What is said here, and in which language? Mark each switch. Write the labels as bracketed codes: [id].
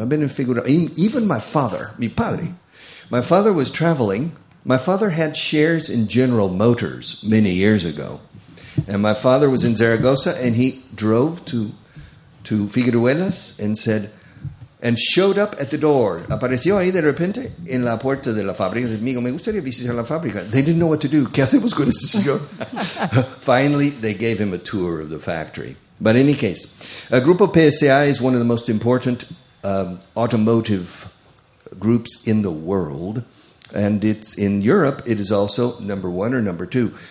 [en] I've been in Figueroa. Even my father, [es] mi padre. [en] My father was traveling. My father had shares in General Motors many years ago. And my father was in Zaragoza, and he drove to Figueruelas and said, and showed up at the door. [es] Apareció ahí de repente en la puerta de la fábrica. Said, amigo, me gustaría visitar la fábrica. [en] They didn't know what to do. [es] ¿Qué hacemos con este señor? [en] Finally, they gave him a tour of the factory. But in any case, Grupo PSA is one of the most important automotive groups in the world. And it's in Europe, it is also number one or number two.